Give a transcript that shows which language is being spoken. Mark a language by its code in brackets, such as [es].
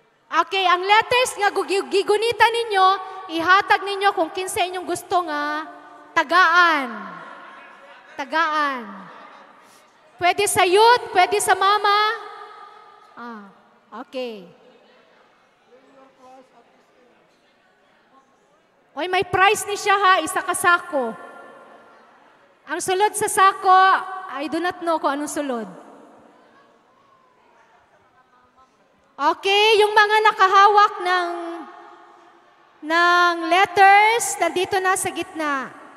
[ceb] Okay, ang letters nga gigunita ninyo, ihatag ninyo kung kinsa inyong gusto nga, tagaan. Tagaan. Pwede sa youth, pwede sa mama. Okay. Oy, may price ni siya ha, isa ka sako. Ang sulod sa sako, [en] I do not know [ceb] kung anong sulod. [tl] Okay, yung mga nakahawak ng letters, nandito na sa gitna.